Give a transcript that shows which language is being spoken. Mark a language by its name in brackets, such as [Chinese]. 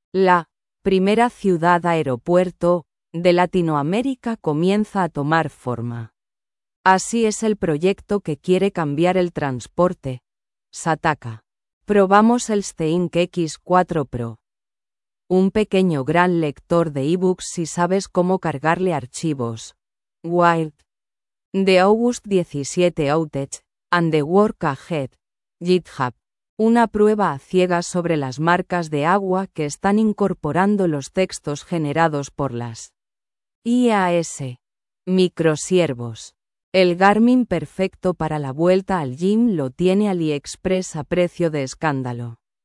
[Spanish] La primera ciudad aeropuerto de Latinoamérica comienza a tomar forma. Así es el proyecto que quiere cambiar el transporte. Sataka. Probamos el Steink X4 Pro. Un pequeño gran lector de ebooks si sabes cómo cargarle archivos. Wild. [English] The August 17 Outage, and the Work Ahead, GitHub. [Spanish] Una prueba a ciegas sobre las marcas de agua que están incorporando los textos generados por las IAS. Microsiervos. El Garmin perfecto para la vuelta al gym lo tiene AliExpress a precio de escándalo.